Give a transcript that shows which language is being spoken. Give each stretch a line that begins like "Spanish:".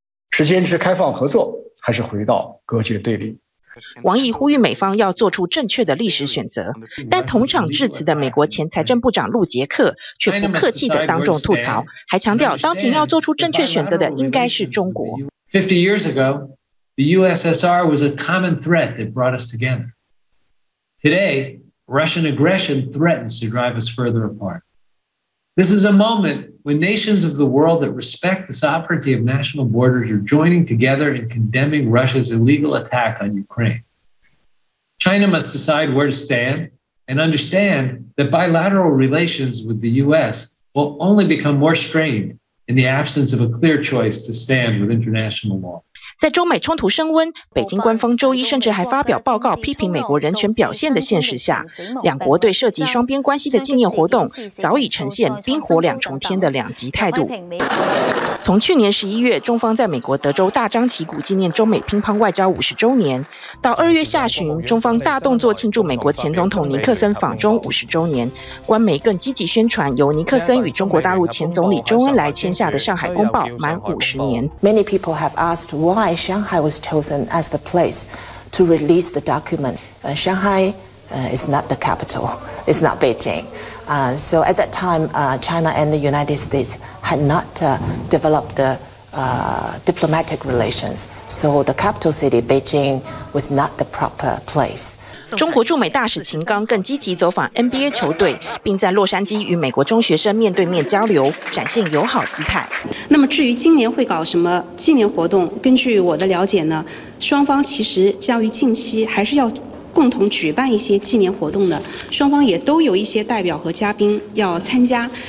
Chinese: 是坚持开放合作，还是回到隔绝对立？王毅呼吁美方要做出正确的历史选择，但同场致辞的美国前财政部长陆杰克却不客气地当众吐槽，还强调当前要做出正确选择的应该是中国。
English: 50 years ago,The USSR was a common threat that brought us together. Today, Russian aggression threatens to drive us further apart. This is a moment when nations of the world that respect the sovereignty of national borders are joining together in condemning Russia's illegal attack on Ukraine. China must decide where to stand and understand that bilateral relations with the US will only become more strained in the absence of a clear choice to stand with international law.
Chinese: 在中美冲突升温，北京官方周一甚至还发表报告批评美国人权表现的现实下，两国对涉及双边关系的纪念活动早已呈现冰火两重天的两极态度。从去年11月中方在美国德州大张旗鼓纪念中美乒乓外交50周年，到2月下旬中方大动作庆祝美国前总统尼克森访中50周年，官媒更积极宣传由尼克森与中国大陆前总理周恩来签下的《上海公报》满50年。
English: Many people have asked why Shanghai was chosen as the place to release the document. Shanghai is not the capital. It's not Beijing. So at that time, China and the United States had not developed the diplomatic relations. So the capital city, Beijing, was not the proper place.
Chinese: 中国驻美大使秦刚更积极走访 NBA 球队，并在洛杉矶与美国中学生面对面交流，展现友好姿态。那么至于今年会搞什么纪念活动，根据我的了解呢，双方其实将于近期还是要共同举办一些纪念活动的，双方也都有一些代表和嘉宾要参加。